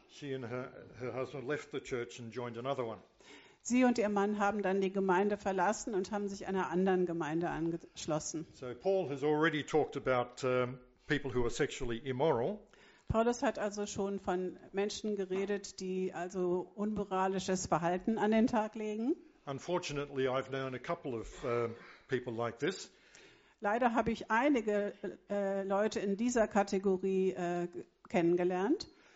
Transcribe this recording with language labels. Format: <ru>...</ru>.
<en>She and her husband left the church and joined another one.</en> <de>Sie und ihr Mann haben dann die Gemeinde verlassen und haben sich einer anderen Gemeinde angeschlossen.</de> <en>So Paul has already talked about people who are sexually immoral.</en> <de>Paulus hat also schon von Menschen geredet, die also unmoralisches Verhalten an den Tag legen.</de> <en>Unfortunately, I've known a couple of people like this.</en> <de>Leider habe ich einige Leute in dieser Kategorie kennengelernt.</de>